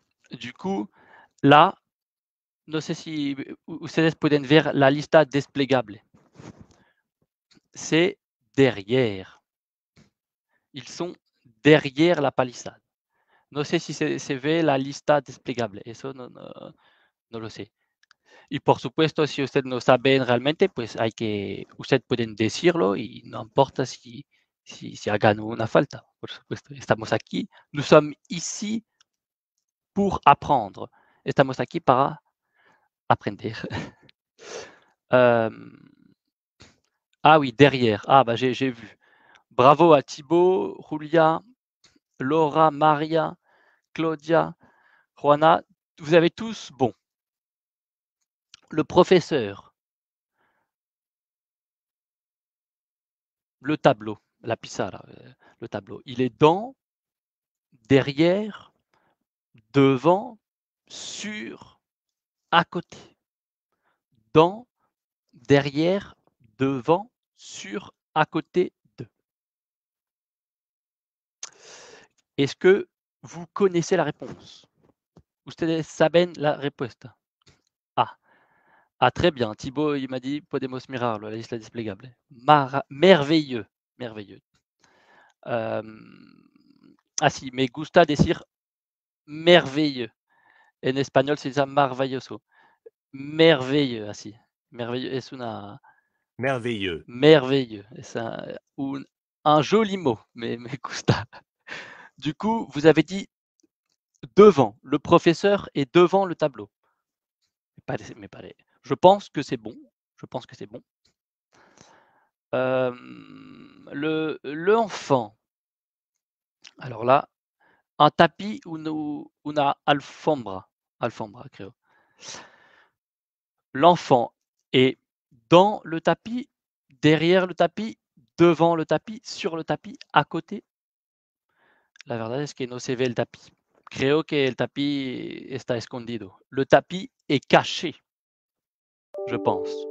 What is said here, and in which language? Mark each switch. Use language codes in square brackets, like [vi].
[fr] Du coup, là, [es] no sé si ustedes pueden ver la lista desplegable. [fr] C'est derrière. Ils sont derrière la palissade. [es] No sé si se ve la lista desplegable. Eso no lo sé. Y por supuesto, si ustedes no saben realmente, pues hay que, ustedes pueden decirlo y no importa si hagan una falta. Por supuesto, estamos aquí. [fr] Nous sommes ici pour apprendre. [es] Estamos aquí para aprender. [fr] oui, derrière. Ah, bah, j'ai vu. Bravo à Thibaut, Julia, Laura, Maria, Claudia, Juana. Vous avez tous bon. Le professeur. Le tableau. [es] La pizarra, [fr] le tableau. Il est dans, derrière, devant, sur, à côté. Dans, derrière, devant, sur, à côté de. Est-ce que vous connaissez la réponse? [es] Ustedes saben la respuesta. [fr] Ah, très bien. Thibaut, il m'a dit, [es] podemos mirarlo, [fr] la liste desplegable. Merveilleux. Merveilleux. [es] Ah si, mais gusta decir merveilleux. [fr] En espagnol, c'est ça, maravilloso. Merveilleux, ah si. Merveilleux, [es] es una... [fr] Merveilleux. Merveilleux. [es] Es un [fr] joli mot, mais gusta. Du coup, vous avez dit devant. Le professeur est devant le tableau. Je pense que c'est bon. Je pense que c'est bon. Le enfant. Alors là, un tapis ou [es] una alfombra. Alfombra, creo. [fr] L'enfant est dans le tapis, derrière le tapis, devant le tapis, sur le tapis, à côté. [es] La verdad es que no se ve el tapis. Creo que el tapis está escondido. [fr] Le tapis est caché, je pense.